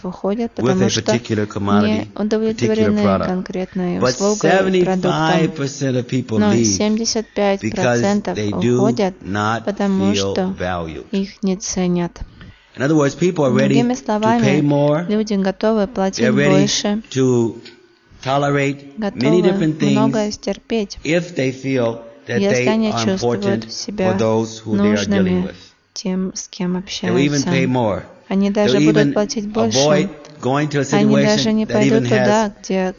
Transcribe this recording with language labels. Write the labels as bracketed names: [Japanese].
[Russian] уходят, [English] with a particular commodity, particular product. But 75% of people leave because they do not feel valued. In other words, people are ready to pay more. [Russian] Люди готовы платить больше. [English] Tolerate many different things if they feel that they are important for those who they are dealing with. [Russian] Тем, с кем общаются. [English] They'll even pay more. [Russian] Они даже [English] they'll [Russian] будут платить больше. [English] Going to a situation [Russian] они даже не пойдут [English] that even [Russian] туда, [English] has [Russian] где